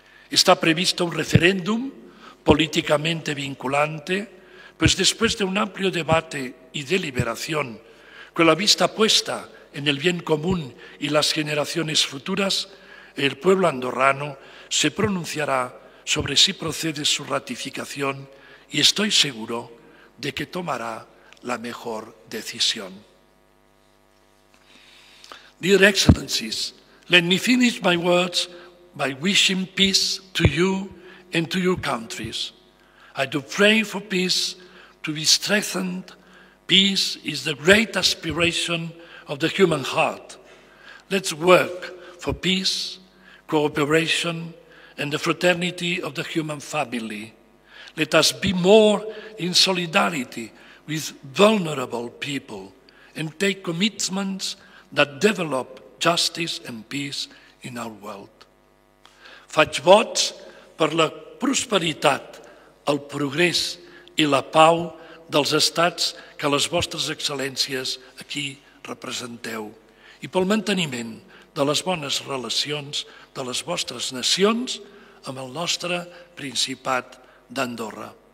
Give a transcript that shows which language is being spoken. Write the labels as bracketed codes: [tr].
[es] Está previsto un referéndum políticamente vinculante, pues después de un amplio debate y deliberación, con la vista puesta en el bien común y las generaciones futuras, el pueblo andorrano se pronunciará sobre si procede su ratificación y estoy seguro de que tomará la mejor decisión. [en] Dear Excellencies, let me finish my words by wishing peace to you and to your countries. I do pray for peace to be strengthened. Peace is the great aspiration of the human heart. Let's work for peace, cooperation, and the fraternity of the human family. Let us be more in solidarity with vulnerable people and take commitments that develop justice and peace in our world. [ca] Faig vots per la prosperitat, el progrés i la pau dels estats que les vostres excel·lències aquí representeu i pel manteniment de les bones relacions de les vostres nacions amb el nostre Principat d'Andorra.